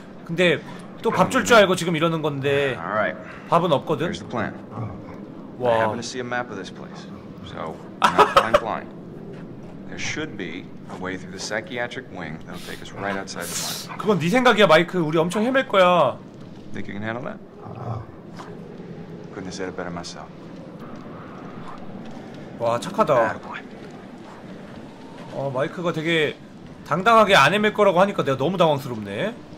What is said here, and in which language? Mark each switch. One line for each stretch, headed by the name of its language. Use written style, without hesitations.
Korean: 근데 또 밥 줄 줄 알고 지금 이러는 건데 밥은 없거든. 와.
English: I happen to see a map of this place. So, I'm not blind. There should be a way through the psychiatric wing that'll take us right outside the mine.
Korean: 그건 네 생각이야, 마이크. 우리 엄청 헤맬 거야.
English: Think you can handle that? Couldn't have said it better myself.
Korean: 와, 착하다. 어, 마이크가 되게 당당하게 안 헤맬 거라고 하니까 내가 너무 당황스럽네.